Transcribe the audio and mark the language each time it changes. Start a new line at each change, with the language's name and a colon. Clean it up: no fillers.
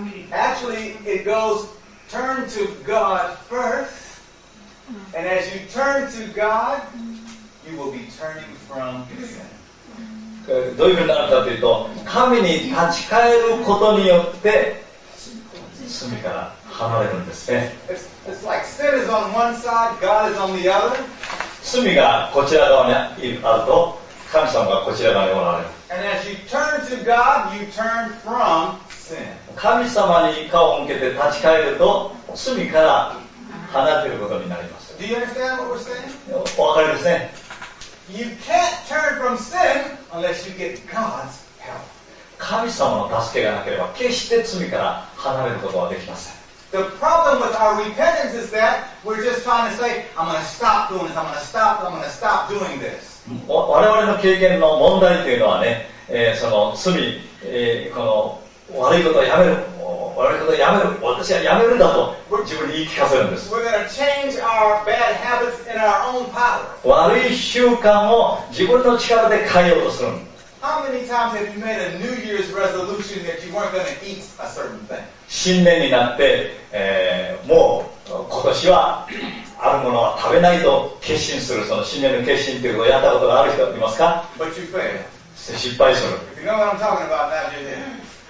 English: Actually, it goesTurn to God first, and as you turn to God, you will be turning from sin.
Japanese: どういうふうになるかというと、神に立ち返ることによって罪から離れるんですね。
English: It's like sin is on one side, God is on the other.
Japanese: 罪がこちら側にあると、神様がこちら側におられる。
English: And as you turn to God, you turn from sin.
Japanese: 神様に顔を向けて立ち返ると罪から離れることになります。
English: Do you understand what we're saying?
Japanese: お分かりですね。
English: You can't turn from sin unless you get God's help.
Japanese: 神様の助けがなければ決して罪から離れることはできません。
English: The problem with our repentance is that we're just trying to say I'm going to stop doing this, I'm going to stop doing this.
Japanese: 我々の経験の問題というのはね、その罪、この悪いことはやめる、悪いことはやめる、私はやめるんだと自分に言い聞かせるんです。
English: We're going to change our bad habits in our own power.
Japanese: 悪い習慣を自分の力で変えようとする。
English: How many times have you made a New Year's resolution that you weren't going to eat a certain thing?
Japanese: 新年になって、もう今年はあるものは食べないと決心する、その新年の決心ということをやったことがある人いますか？
English: But you fail.
Japanese: 失敗する。
English: If you know what I'm talking about, that you didn't.